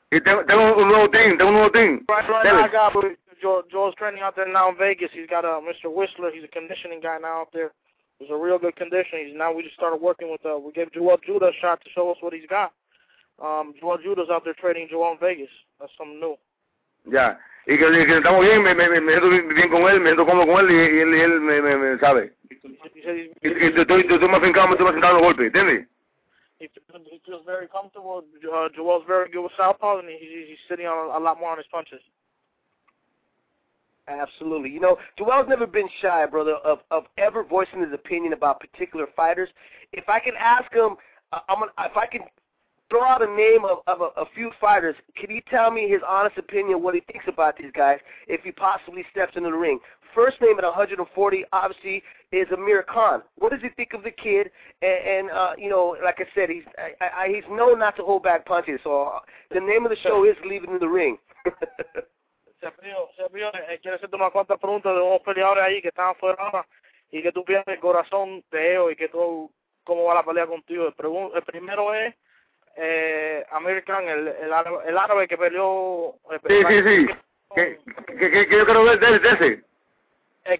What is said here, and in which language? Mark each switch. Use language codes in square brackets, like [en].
[es] Tengo un nuevo team. [en] Joel's training out there now in Vegas. He's got a Mr. Whistler. He's a conditioning guy now out there. He's a real good conditioning. Now we just started working with we gave Joel Judah a shot to show us what he's got. Joel Judah's out there training Joel in Vegas. That's something new. [es] Yeah. Y que estamos bien, me siento bien con él, me siento cómodo con él y él me sabe. Y tú me has fincado los golpes, ¿entiendes? [en] He feels very comfortable. Joel's very good with southpaws, and he's sitting on a lot more on his punches. Absolutely. You know, Joel's never been shy, brother, of ever voicing his opinion about particular fighters. If I can ask him, if I can throw out a name of a few fighters, can he tell me his honest opinion, what he thinks about these guys, if he possibly steps into the ring? First name at 140, obviously, is Amir Khan. What does he think of the kid? And you know, like I said, he's known not to hold back punches, so the name of the show is Leaving the Ring. [es] Se abrió, quiero hacerte unas cuantas preguntas de unos peleadores ahí que estaban fuera ahora y que tú piensas el corazón de ellos y que tú, cómo va la pelea contigo. El primero es American, el árabe que peleó. Sí. ¿Qué yo quiero ver de ese?